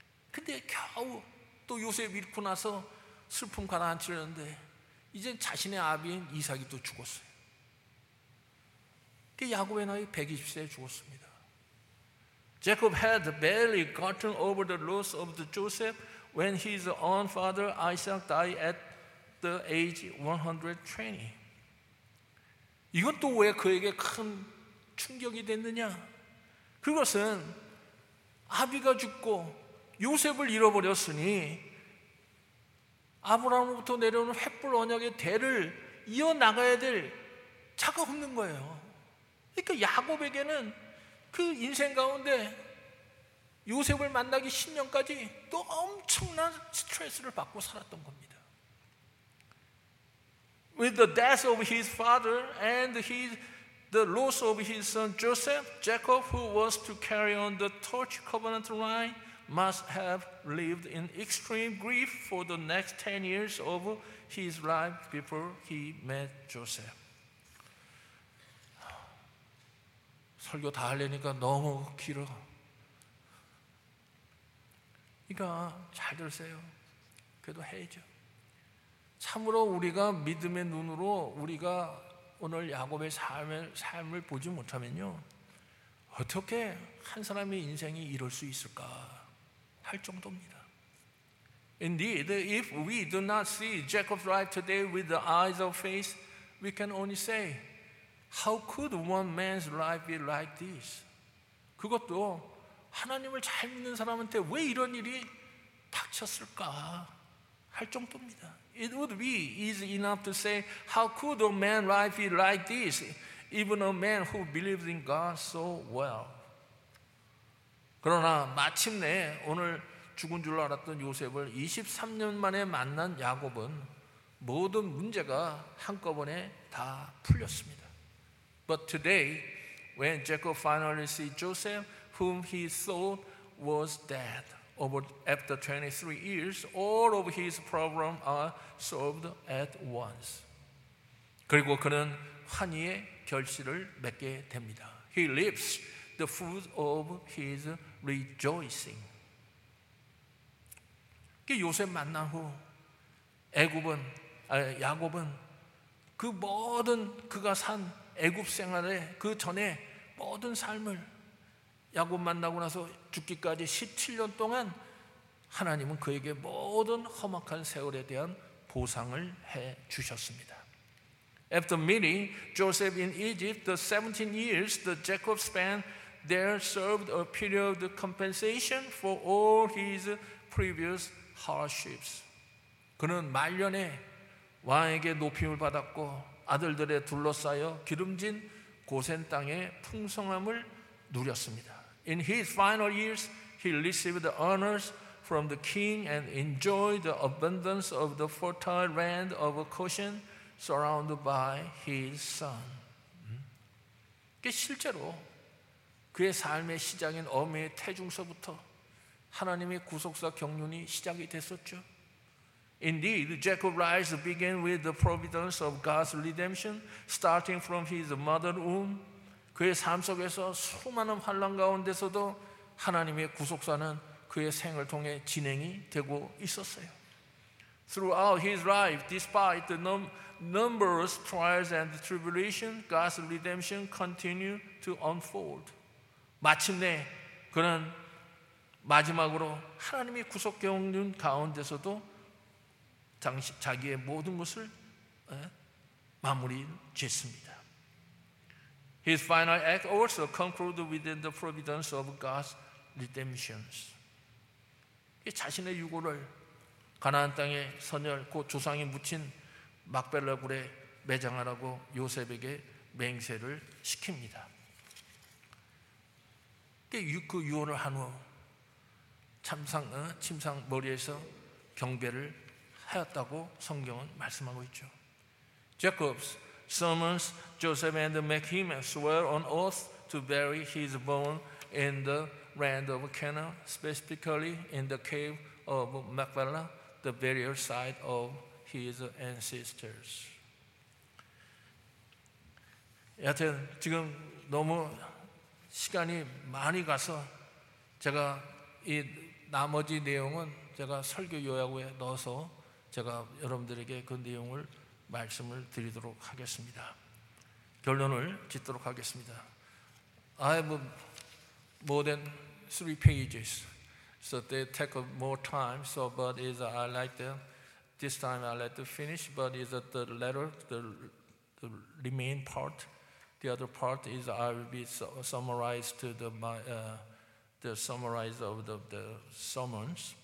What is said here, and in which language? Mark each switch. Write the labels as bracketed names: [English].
[Korean] 근데 겨우 또 요셉 잃고 나서 슬픔 가라앉히는데 이제 자신의 아비인 이삭이 또 죽었어요. 그 야곱의 나이 120세에 죽었습니다. [English] Jacob had barely gotten over the loss of Joseph when his own father Isaac died at the age 120. [Korean] 이건 또 왜 그에게 큰 충격이 됐느냐? 그것은 아비가 죽고 요셉을 잃어버렸으니 아브라함으로부터 내려오는 횃불 언약의 대를 이어나가야 될 자가 없는 거예요. 그러니까 야곱에게는 그 인생 가운데 요셉을 만나기 10년까지 또 엄청난 스트레스를 받고 살았던 겁니다. [English] With the death of his father and the loss of his son Joseph, Jacob, who was to carry on the torch covenant line, must have lived in extreme grief for the next 10 years of his life before he met Joseph. [Korean] 설교 다 하려니까 너무 길어. 그러니까 잘 들으세요. 그래도 해야죠. 참으로 우리가 믿음의 눈으로 우리가 오늘 야곱의 삶을 보지 못하면요. 어떻게 한 사람의 인생이 이럴 수 있을까 할 정도입니다. [English] Indeed, if we do not see Jacob's life today with the eyes of faith, we can only say, How could one man's life be like this? [Korean] 그것도 하나님을 잘 믿는 사람한테 왜 이런 일이 닥쳤을까 할 정도입니다. [English] It would be easy enough to say, How could a man's life be like this? Even a man who believes in God so well. [Korean] 그러나 마침내 오늘 죽은 줄 알았던 요셉을 23년 만에 만난 야곱은 모든 문제가 한꺼번에 다 풀렸습니다. [English] But today, when Jacob finally sees Joseph, whom he thought was dead, after 23 years, all of his problems are solved at once. [Korean] 그리고 그는 환희의 결실을 맺게 됩니다. [English] He reaps the fruit of his rejoicing. [Korean] 그 요셉 만난 후 야곱은 그 모든 그가 산 애굽 생활에 그 전에 모든 삶을 야곱 만나고 나서 죽기까지 17년 동안 하나님은 그에게 모든 험악한 세월에 대한 보상을 해 주셨습니다. [English] After meeting Joseph in Egypt, the 17 years that Jacob spent there served a period of compensation for all his previous hardships. [Korean] 그는 말년에 왕에게 높임을 받았고 아들들에 둘러싸여 기름진 고센 땅의 풍성함을 누렸습니다. [English] In his final years, he received the honors from the king and enjoyed the abundance of the fertile land of Goshen surrounded by his son. [Korean] 실제로 그의 삶의 시작인 어미의 태중서부터 하나님의 구속사 경륜이 시작이 됐었죠. [English] Indeed, Jacob's life began with the providence of God's redemption, starting from his mother's womb. [Korean] 그의 삶 속에서 수많은 환난 가운데서도 하나님의 구속사는 그의 생을 통해 진행이 되고 있었어요. [English] Throughout his life, despite the numerous trials and tribulations, God's redemption continued to unfold. [Korean] 마침내 그는 마지막으로 하나님의 구속 경륜 가운데서도 자기의 모든 것을 마무리 짓습니다. [English] His final act also concluded within the providence of God's redemption. [Korean] 자신의 유골을 가나안 땅의 선열 곧 조상이 묻힌 막벨라 굴에 매장하라고 요셉에게 맹세를 시킵니다. 그 유언을 한 후 침상 머리에서 경배를 하였다고 성경은 말씀하고 있죠. [English] Jacob's summons Joseph and make him swear on oath to bury his bone in the land of Canaan, specifically in the cave of Machpelah, the burial site of his ancestors. [Korean] 여하튼 지금 너무 시간이 많이 가서 제가 이 나머지 내용은 제가 설교 요약에 넣어서 제가 여러분들에게 그 내용을 말씀을 드리도록 하겠습니다. 결론을 짓도록 하겠습니다. [English] I have more than three pages, so they take up more time. So, but is I like them. This time I like to finish, but is the letter, the remain part. The other part is I will be summarized to the summarize of the summons.